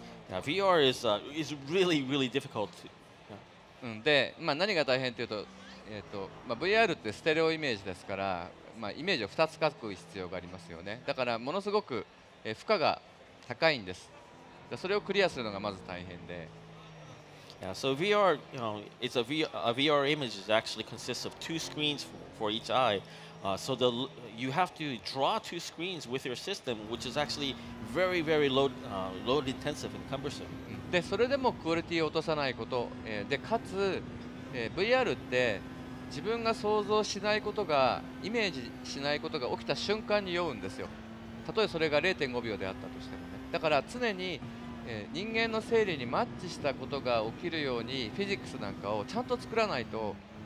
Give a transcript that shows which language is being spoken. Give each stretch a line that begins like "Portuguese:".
English: Yeah, VR is really, really difficult. Yeah.
Japanese: うん、で、まあ、何が大変というと、VR ってステレオイメージですから、まあ、イメージを2つ書く必要がありますよね。だからものすごく負荷が高いんです。それをクリアするのがまず大変で。
English: Yeah, so VR, you know, it's a VR image is actually consists of two screens for each eye. So the you have to draw two screens with your system, which is actually very, very load intensive and cumbersome.
Japanese: で、それでもクオリティを落とさないこと、で、かつ、VR って自分が想像しないことが、イメージしないことが起きた瞬間に酔うんですよ。たとえそれが 0.5 秒であったとしてもね。だから常に、人間の生理にマッチしたことが起きるようにフィジックスなんかをちゃんと作らないと、